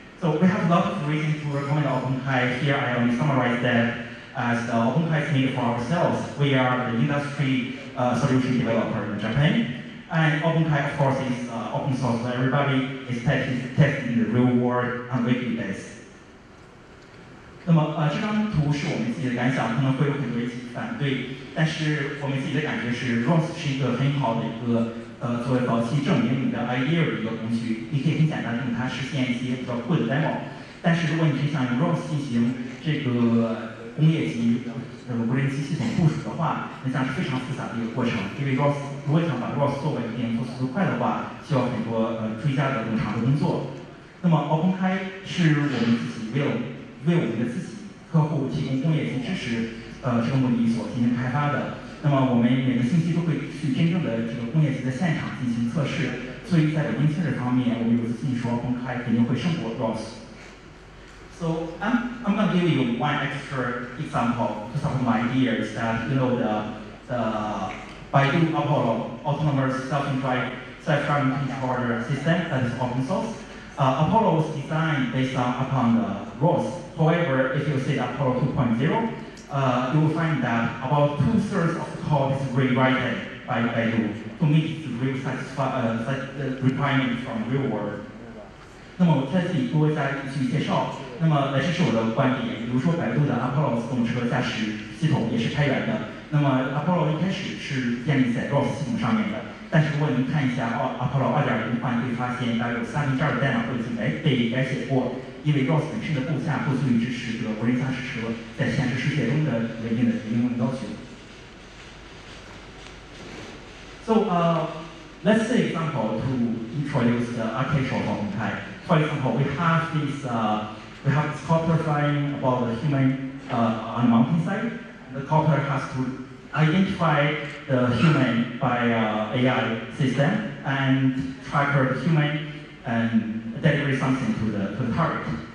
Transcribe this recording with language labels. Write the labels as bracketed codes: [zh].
[en] So we have lots of reasons to recommend OpenKAI. Here I only summarize that as OpenKAI is made for ourselves. We are the industry solution developer in Japan. And OpenKAI, of course, is open source, so everybody is testing in the real world on a weekly basis. [zh] 那么这张图是我们自己的感想，可能会有很多人反对，但是我们自己的感觉是 ROS 是一个很好的一个作为早期证明你的 idea 的一个工具，你可以很简单用它实现一些比较酷的 demo。但是如果你是想用 ROS 进行这个工业级无人机系统部署的话，那将是非常复杂的一个过程。因为 ROS 如果想把 ROS 作为一点做速度快的话，需要很多追加的冗长的工作。那么 OpenKAI 是我们自己为我们的自己客户提供工业级支持这个目的所进行开发的。那么我们每个星期都会去真正的这个工业级的现场进行测试，所以在北京测试方面，我们有自信说 OpenKAI 肯定会胜过 ROS。 [en] So I'm going to give you one extra example to support my idea is that you know the Baidu Apollo autonomous self-driving controller system that is open source. Apollo was designed based upon the ROS. However, if you see Apollo 2.0, you will find that about 2/3 of the code is rewritten by Baidu to meet the real requirements from the real world. [zh] 那么我在这里多加一句介绍。那么来，这是我的观点。比如说，百度的 Apollo 自动车驾驶系统也是开源的。那么 Apollo 一开始是建立在 ROS 系统上面的。但是如果您看一下 Apollo 2.0 的话，你会发现大概有1/3的代码会已经被改写过，因为 ROS 本身的构架不足以支持这个无人驾驶车在现实世界中的一定的应用要求。 [en] So let's say example to introduce the architecture of OpenKAI. For example, we have this copter flying about the human on the mountain side. The copter has to identify the human by AI system and track the human and deliver something to the target.